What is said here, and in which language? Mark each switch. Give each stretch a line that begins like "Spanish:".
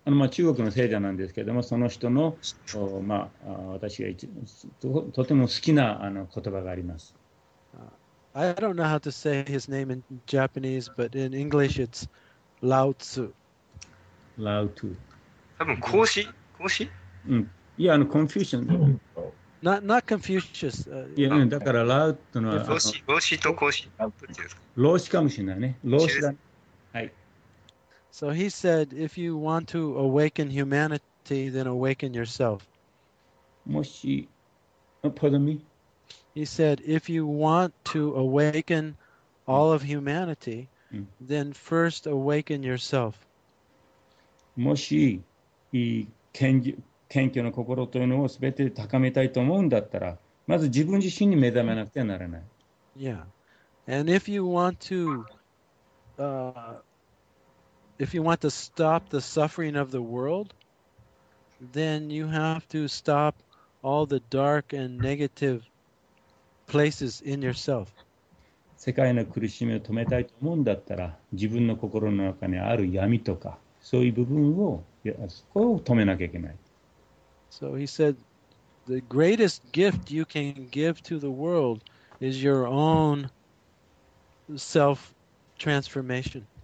Japanese: まあ、中国の聖者なんですけども、その人の、まあ、私が とても好きな言葉があります。
English: I don't know how to say his name in Japanese, but in English it's... Lao Tzu. Lao Tzu.
Japanese: 多分孔子、孔子。うん。いや、Confucius。
English: Not Confucius.
Japanese: いや、ね、だから Lao Tzu のは。老子、老子と孔子。老子かもしれないね。老子だ。はい。
English: So he said, if you want to awaken humanity, then awaken yourself.
Japanese: もし、
English: pardon me. He said, if you want to awaken all of humanity. Then first awaken yourself.
Japanese: もし謙虚の心というのをすべて高めたいと思うんだったら、まず自分自身に目覚めなくてはならない。
English: Yeah. And if you want to, stop the suffering of the world, then you have to stop all the dark and negative places in yourself.
Japanese: 世界の苦しみを止めたいと思うんだったら、自分の心の中にある闇とか、そういう部分を、そこを止めなきゃいけない。
English: So he said, the greatest gift you can give to the world is your own self-transformation.